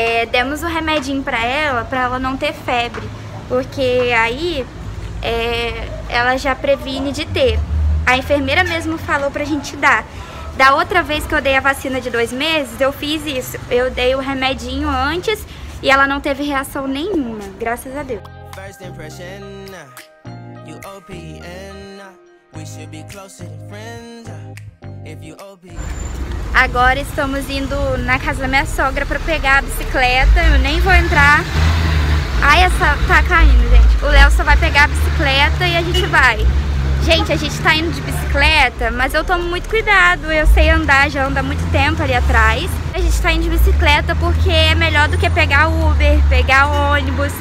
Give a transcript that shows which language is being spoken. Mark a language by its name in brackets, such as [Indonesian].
[Portuguese] Demos o remedinho pra ela não ter febre. Porque aí ela já previne de ter. A enfermeira mesmo falou pra gente dar. Da outra vez que eu dei a vacina de 2 meses, eu fiz isso. Eu dei o remedinho antes e ela não teve reação nenhuma, graças a Deus. [English] First impression, you OPN. We should be closer than friends, if you OPN. [Portuguese] Agora estamos indo na casa da minha sogra para pegar a bicicleta. Eu nem vou entrar. Ai, essa tá caindo, gente. O Léo só vai pegar a bicicleta e a gente vai. Gente, a gente tá indo de bicicleta, mas eu tomo muito cuidado. Eu sei andar, já ando há muito tempo ali atrás. A gente tá indo de bicicleta porque é melhor do que pegar Uber, pegar ônibus.